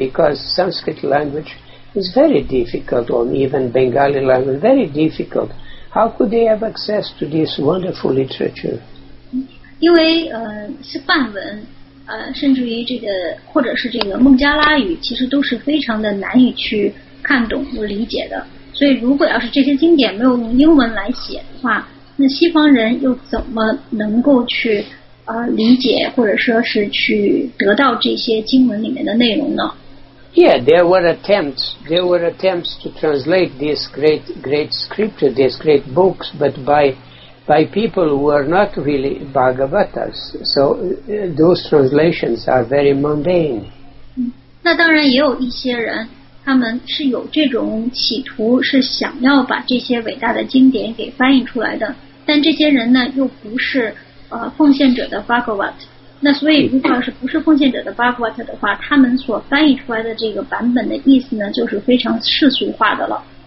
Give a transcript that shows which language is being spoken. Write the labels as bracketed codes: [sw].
[en] Because Sanskrit language is very difficult, or even Bengali language very difficult. How could they have access to this wonderful literature? [zh] 因为是梵文，甚至于这个或者是这个孟加拉语，其实都是非常的难以去看懂和理解的。所以如果要是这些经典没有用英文来写的话，那西方人又怎么能够去理解或者说是去得到这些经文里面的内容呢？ [en] Yeah, there were attempts to translate this great scripture, these great books, but by people who are not really Bhagavatas. So those translations are very mundane. [zh] 那当然也有一些人，他们是有这种企图，是想要把这些伟大的经典给翻译出来的，但这些人呢又不是奉献者的 Bhagavat。那所以如果要是不是奉献者的 Bhagavat 的话，他们所翻译出来的这个版本的意思呢就是非常世俗化的了。